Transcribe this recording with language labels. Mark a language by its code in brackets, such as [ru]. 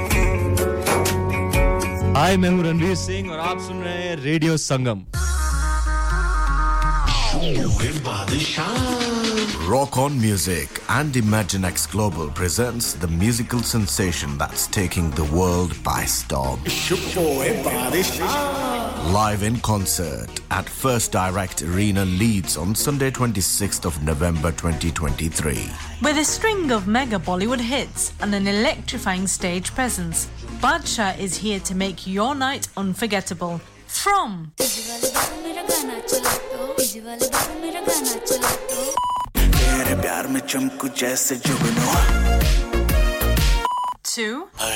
[hi] हाय मैं हूं रणवीर सिंह और आप सुन रहे हैं radio Sangam [en] Rock on Music and Imagine X Global presents the musical sensation that's taking the world by storm. Live in concert at First Direct Arena Leeds on Sunday 26th of November 2023. With a string of mega Bollywood hits and an electrifying stage presence, Badshah is here to make your night unforgettable. From... [hi] प्यार में चमकु जैसे जुगनू to